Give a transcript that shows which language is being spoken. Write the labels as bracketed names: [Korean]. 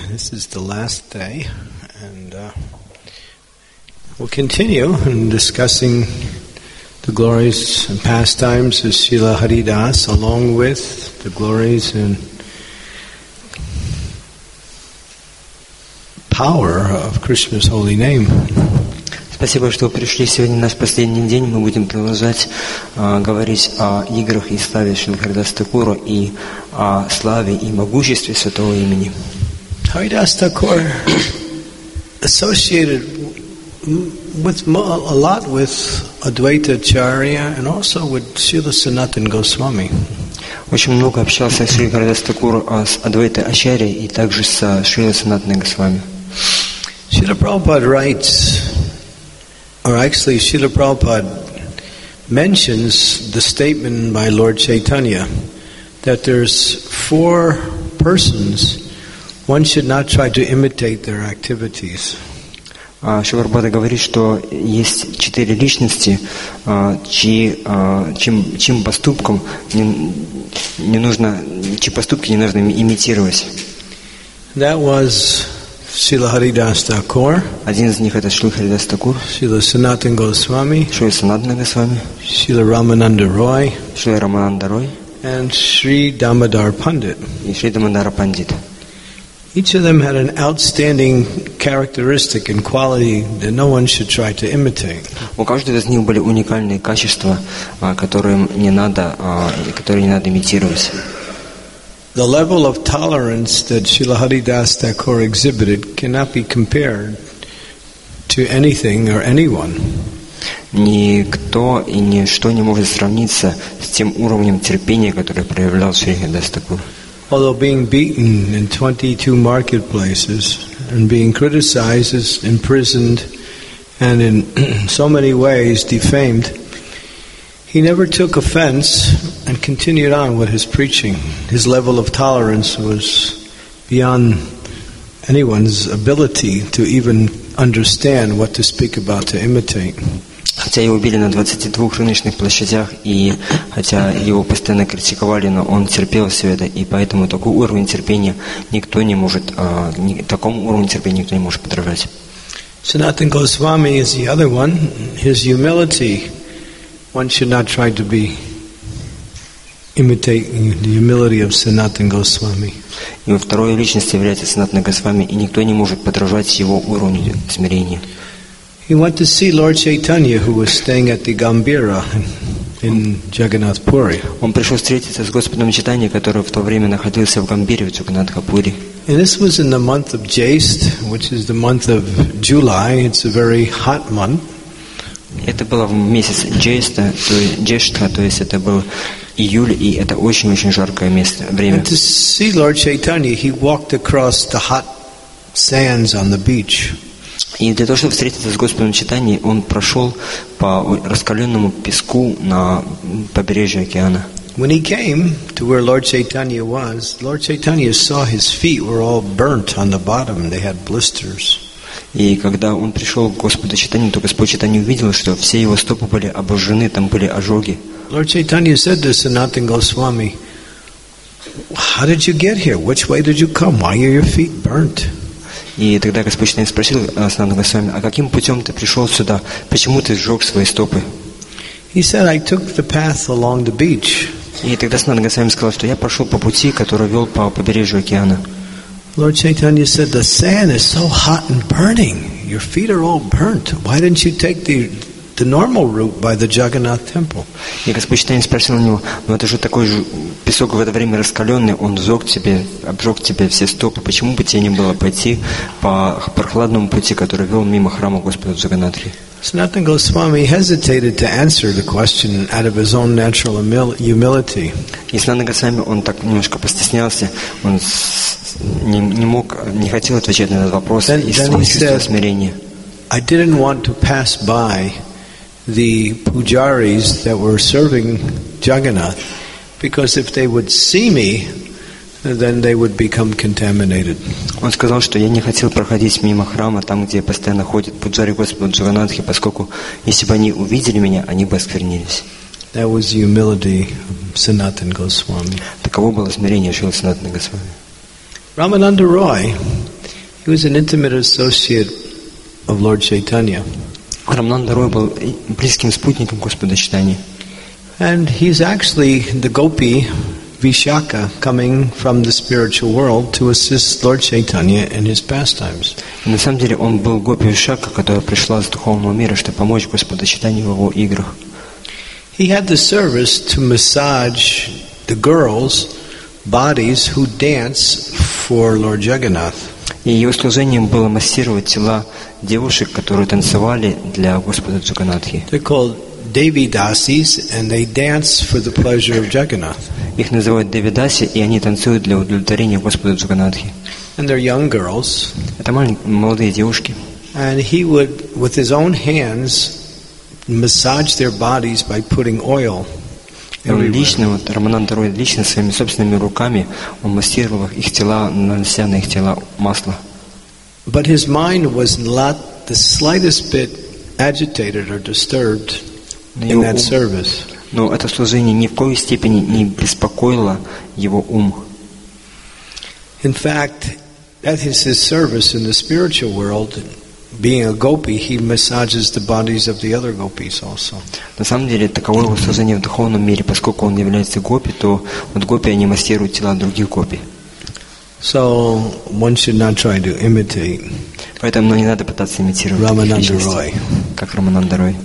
[English] This is the last day, and we'll continue in discussing the glories and pastimes of Srila Haridas, along with the glories and power of Krishna's holy name. [Russian] Спасибо, что вы пришли. Сегодня наш последний день. Мы будем продолжать говорить о играх и славе Шрилы Харидаса Такура и о славе и могуществе Святого Имени. [English] Харидас Такур associated with a lot with Адвайта Ачарья and also with Srila Sanatan Goswami. [Russian] Очень много общался с Шрилой Харидасом Такуром, с Адвайта Ачарья и также с Шрилой Санатаной Госвами. [English] Шрила Прабхупада writes, or actually Srila Prabhupada mentions the statement by Lord Chaitanya that there's four persons one should not try to imitate their activities. [Russian] Srila Prabhupada говорит, что есть четыре личности, чьим поступкам не нужно, чьи поступки не нужно имитировать. [English] That was Srila Haridas Thakur. [Russian] Один из них это Шрила Харидас Такур. [English] Srila Sanatan Goswami. [Russian] Шрила Санатана Госвами. [English] Srila Рамананда Рой. [Russian] Шрила Рамананда Рой. [English] And Sri Damodar Pandit. [Russian] И Шри Дамодара Пандит. [English] Each of them had an outstanding characteristic and quality that no one should try to imitate. [Russian] У каждого из них были уникальные качества, которые не надо имитировать. [English] The level of tolerance that Srila Haridas Thakur exhibited cannot be compared to anything or anyone. [Russian] Никто и ничто не может сравниться с тем уровнем терпения, который проявлял Шрила Харидас Такур. [English] Although being beaten in 22 marketplaces and being criticized, imprisoned, and in so many ways defamed, he never took offense and continued on with his preaching. His level of tolerance was beyond anyone's ability to even understand what to speak about to imitate. [Russian] Хотя его били на 22 рыночных площадях, и хотя его постоянно критиковали, но он терпел все это, и поэтому такой уровень терпения никто не может, такому уровню терпения никто не может подражать. [English] Sanatan Goswami is the other one. His humility. One should not try to be imitating the humility of Sanatan Goswami. [Russian] Его второй личности является Санатана Госвами, и никто не может подражать его уровню смирения. [English] He went to see Lord Chaitanya, who was staying at the Gambira in Jagannath Puri. [Russian] Он пришел встретиться с Господом Чайтанья, который в то время находился в Гамбире, в Джаганнатхапури. [English] And this was in the month of Jaist, which is the month of July. It's a very hot month. [Russian] Это было в месяц Джейста, то есть это был июль, и это очень-очень жаркое место, время. [English] And to see Lord Chaitanya, he walked across the hot sands on the beach. [Russian] И для того, чтобы встретиться с Господом Чайтаньей, он прошел по раскаленному песку на побережье океана. [English] When he came to where Lord Chaitanya was, Lord Chaitanya saw his feet were all burnt on the bottom, they had blisters. [Russian] И когда он пришел к Господу Чайтанье, то Господь Чайтанье увидел, что все его стопы были обожжены, там были ожоги. [English] Lord Chaitanya said to Sanatan Goswami, "How did you get here? Which way did you come? Why are your feet burnt?" [Russian] И тогда Господь Чайтанье спросил Санатана Госвами, "А каким путем ты пришел сюда? Почему ты сжег свои стопы?" [English] He said, "I took the path along the beach." [Russian] И тогда Санатана Госвами сказал, что я пошел по пути, который вел по побережью океана. [English] Lord Chaitanya said, "The sand is so hot and burning. Your feet are all burnt. Why didn't you take the normal route by the Jagannath temple?" [Russian] И Господь Чайтанья спросил у него, "Ну это же такой же песок в это время раскаленный, он обжег тебе все стопы. Почему бы тебе не было пойти по прохладному пути, который вел мимо храма Господа Джаганнатхи?" [English] Sanatan Goswami hesitated to answer the question out of his own natural humility. [Russian] И Sanatan Goswami, он так немножко постеснялся, он не хотел отвечать на этот вопрос из чувства смирения. [English] I didn't want to pass by the pujaris that were serving Jagannath, because if they would see me, then they would become contaminated. [Russian] Он сказал, что я не хотел проходить мимо храма, там, где постоянно ходят пуджари Господа Джаганнатхи, поскольку если бы они увидели меня, они бы осквернились. [English] That was the humility of Sanatan Goswami. [Russian] Таково было смирение Шрилы Санатаны Госвами. [English] Ramananda Roy, he was an intimate associate of Lord Chaitanya. [Russian] Рамананда Рой был близким спутником Господа Чайтаньи. [English] And he's actually the gopi Vishakha coming from the spiritual world to assist Lord Chaitanya in his pastimes. [Russian] На самом деле он был гопи Вишакха, которая пришла из духовного мира, чтобы помочь Господу Чайтанье в его играх. [English] He had the service to massage the girls' bodies who dance for Lord Jagannath. [Russian] И его служением было массировать тела девушек, которые танцевали для Господа Джаганатхи. [English] They're called Devi Dasis, and they dance for the pleasure of Jagannath. [Russian] Их называют Девидаси, и они танцуют для удовлетворения Господа Джаганатхи. [English] And they're young girls. [Russian] Это молодые девушки. [English] And he would, with his own hands, massage their bodies by putting oil. [Russian] Он лично, вот Рамананда Рой лично своими собственными руками он массировал их тела, нанося на их тела масло. [English] But his mind was not the slightest bit agitated or disturbed in that service. [Russian] Но это служение ни в коей степени не беспокоило его ум. [English] In fact, that is his service in the spiritual world. Being a gopi, he massages the bodies of the other gopis also. [Russian] На самом деле, таково его служение в духовном мире, поскольку он является гопи, то вот гопи они массируют тела других гопи. [English] So one should not try to imitate. [Russian] Поэтому не надо пытаться имитировать. Рамананда Рой. Как Рамананда Рой.